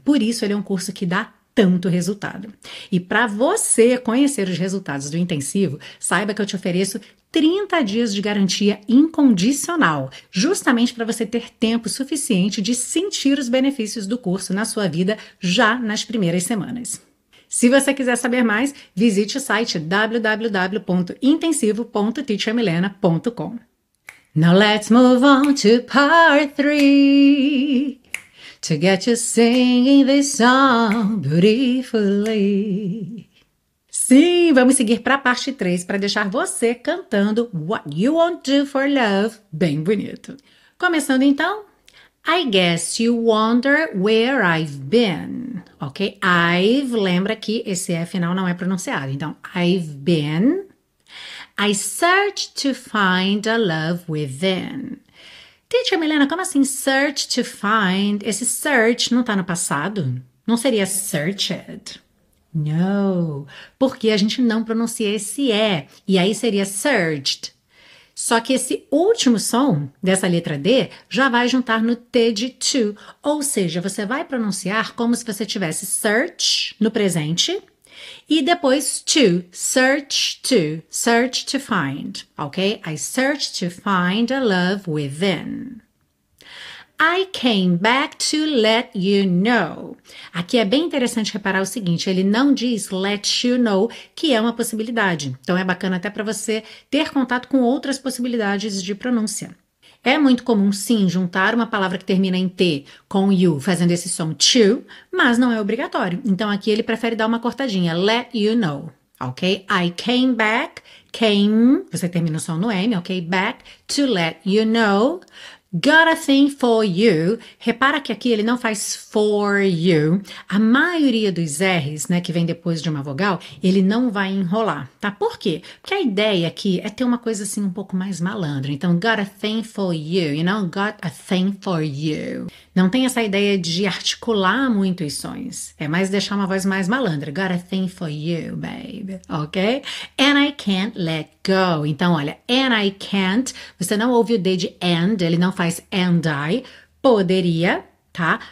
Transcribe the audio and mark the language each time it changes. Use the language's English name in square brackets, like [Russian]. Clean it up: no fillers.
[Portuguese] Por isso, ele é um curso que dá tanto resultado. E para você conhecer os resultados do Intensivo, saiba que eu te ofereço 30 dias de garantia incondicional, justamente para você ter tempo suficiente de sentir os benefícios do curso na sua vida já nas primeiras semanas. Se você quiser saber mais, visite o site www.intensivo.teachermilena.com. [English] Now let's move on to part 3, to get you singing this song beautifully. [Portuguese] Sim, vamos seguir para a parte 3, para deixar você cantando What You Won't Do For Love bem bonito. Começando então, [English] I guess you wonder where I've been, ok? I've, [Portuguese] lembra que esse é final, não é pronunciado, então [English] I've been. I search to find a love within. [Portuguese] Teacher Milena, como assim [English] search to find? [Portuguese] Esse search não está no passado? Não seria searched? No, porque a gente não pronuncia esse E, e aí seria searched. Só que esse último som dessa letra D já vai juntar no T de to, ou seja, você vai pronunciar como se você tivesse search no presente, e depois to, [English] search to find, [Portuguese] ok? [English] I search to find a love within. I came back to let you know. [Portuguese] Aqui é bem interessante reparar o seguinte, ele não diz [English] let you know, [Portuguese] que é uma possibilidade. Então é bacana até para você ter contato com outras possibilidades de pronúncia. É muito comum, sim, juntar uma palavra que termina em T com you, fazendo esse som to, mas não é obrigatório. Então, aqui ele prefere dar uma cortadinha, [English] let you know, [Portuguese] ok? [English] I came back, came, [Portuguese] você termina o som no N, ok? [English] Back to let you know, got a thing for you. [Portuguese] Repara que aqui ele não faz [English] for you. [Portuguese] A maioria dos R's, né, que vem depois de uma vogal, ele não vai enrolar, tá? Por quê? Porque a ideia aqui é ter uma coisa assim um pouco mais malandra. Então, [English] got a thing for you, you know, got a thing for you. [Portuguese] Não tem essa ideia de articular muito os sons. É mais deixar uma voz mais malandra. [English] Got a thing for you, baby, [Portuguese] ok? [English] And I can't let go. [Portuguese] Então, olha, [English] and I can't, [Portuguese] você não ouve o D de and, ele não faz [English] and I, [Portuguese] poderia, tá?